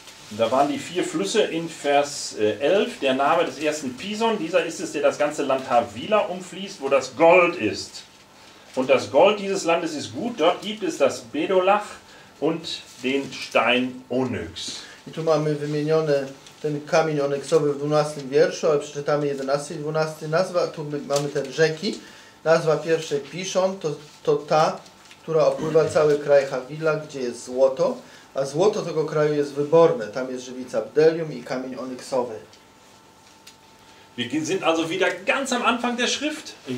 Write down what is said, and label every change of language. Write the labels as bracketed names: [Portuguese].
[German] Da waren die vier Flüsse in Vers 11, der Name des ersten Pison, dieser ist es, der das ganze Land Havila umfließt, wo das Gold ist. Und das Gold dieses Landes ist gut, dort gibt es das Bedolach und den Stein Onyx. [Polish] I tu mamy wymienione ten kamień onyksowy w 12 wierszu, ale przeczytamy 11 i 12. Nazwa, tu mamy te rzeki, nazwa pierwszej Pison, to ta, która opływa cały kraj Havila, gdzie jest złoto. A złoto tego kraju jest wyborne. Tam jest żywica bdelium i kamień onyksowy. [German] Wir sind also wieder ganz am Anfang der Schrift.